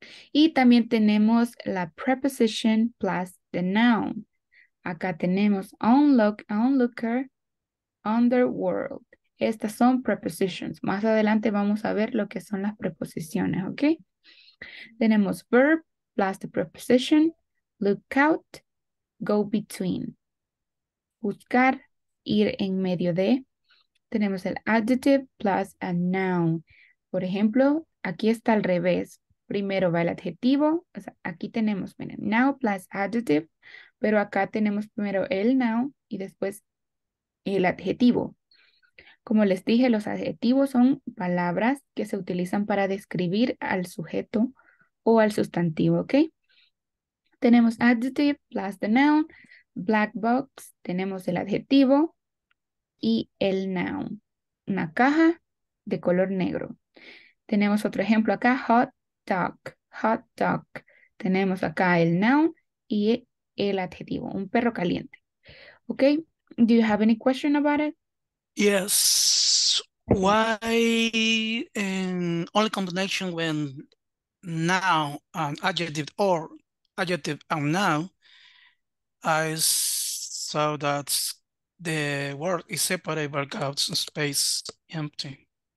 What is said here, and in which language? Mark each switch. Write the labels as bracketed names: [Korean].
[Spanish] Y también tenemos la preposition plus the noun. Acá tenemos onlooker, underworld. Estas son prepositions. Más adelante vamos a ver lo que son las preposiciones, ¿ok? Tenemos verb plus the preposition, look out, go between. Buscar, ir en medio de. Tenemos el adjective plus a noun. Por ejemplo, aquí está al revés. Primero va el adjetivo, o sea, aquí tenemos, miren, now plus adjective, pero acá tenemos primero el noun y después el adjetivo. Como les dije, los adjetivos son palabras que se utilizan para describir al sujeto o al sustantivo, ¿ok? Tenemos adjective plus the noun, black box, tenemos el adjetivo y el noun, una caja de color negro. Tenemos otro ejemplo acá, hot dog, hot dog. Tenemos acá el noun y el adjetivo, un perro caliente. [English] Ok, do you have any question about it? Yes, why in only combination when noun and adjective or adjective and noun, I saw that the word is separated by gaps and space empty.